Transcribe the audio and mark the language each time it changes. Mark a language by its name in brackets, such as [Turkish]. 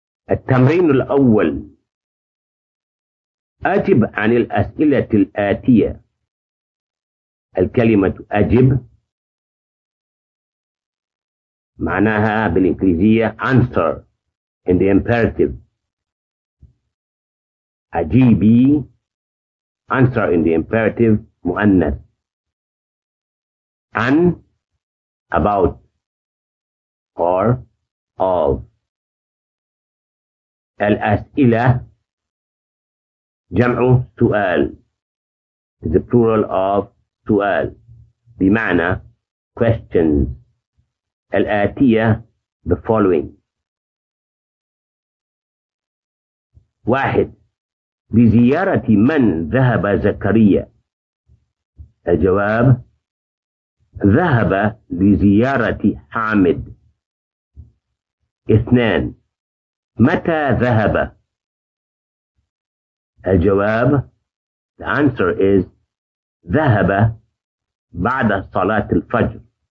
[Arabic] التمرين الأول، أجب عن الأسئلة الآتية. الكلمة أجب معناها بالإنجليزية [English] answer in the imperative. [Arabic] أجيبي [English] answer in the imperative [Arabic] مؤنث. [English] عن about or of. [Arabic] الأسئلة جمع سؤال [English] is the plural of [Arabic] سؤال بمعنى [English] questions. الآتية the following. [Arabic] واحد، بزيارة من ذهب زكريا؟ الجواب، ذهب لزيارة حامد. اثنان، متى ذهب؟ الجواب، [English] the answer is [Arabic] ذهب بعد صلاة الفجر.